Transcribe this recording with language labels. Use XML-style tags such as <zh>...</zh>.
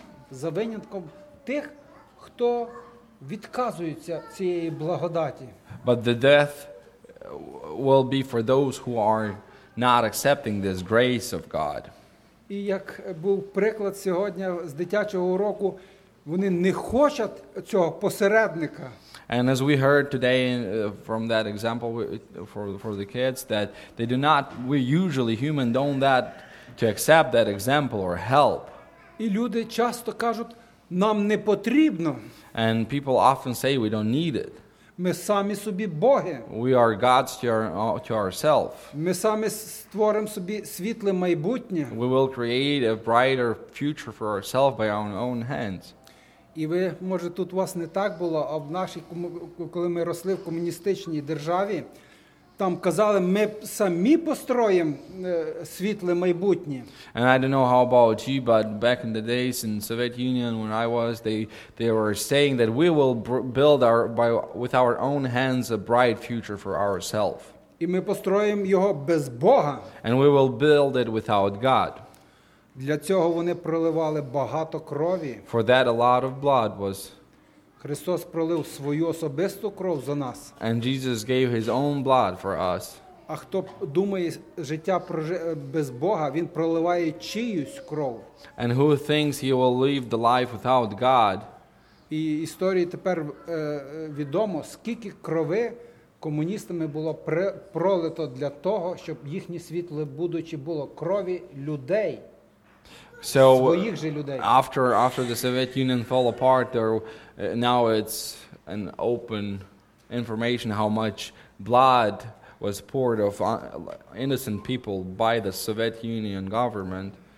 <uk>За винятком тих, хто відказується цієї благодаті.</uk> <en>But the death will be for those who are not accepting this grace of God.</en> <uk>І як був приклад сьогодні з дитячого уроку, вони не хочуть цього посередника.</uk> <en>And as we heard today from that example for the kids, that they do not, we usually human don't that to accept that example or help.</en> <uk>І люди часто кажуть, нам не потрібно.</uk> <en>And people often say we don't need it.</en> <uk>Ми самі собі боги.</uk> <en>We are gods to ourselves.</en> <uk>Ми самі створимо собі світле майбутнє.</uk> <en>We will create a brighter future for ourselves by our own hands.</en> <uk>І ви, може, тут у вас не так було, а в нашій, коли ми росли в комуністичній державі, там казали, ми самі построїмо світле майбутнє.</uk> <en>And I don't know how about you, but back in the days in Soviet Union when I was, they were saying that we will build with our own hands a bright future for ourselves.</en> <uk>І ми построїмо його без Бога.</uk> <en>And we will build it without God.</en> <uk>Для цього вони проливали багато крові.</uk> <en>For that a lot of blood was.</en> <uk>Христос пролив свою особисту кров за нас.</uk> <en>And Jesus gave his own blood for us.</en> <uk>А хто думає життя без Бога, він проливає чиюсь кров.</uk> <en>And who thinks he will live the life without God?</en> <uk>І історії тепер відомо, скільки крови комуністами було пролито для того, щоб їхнє світле будуче було крові людей.</uk> <en>So after the Soviet Union fell apart, now it's an open information how much blood was poured of innocent people by the Soviet Union government.</en>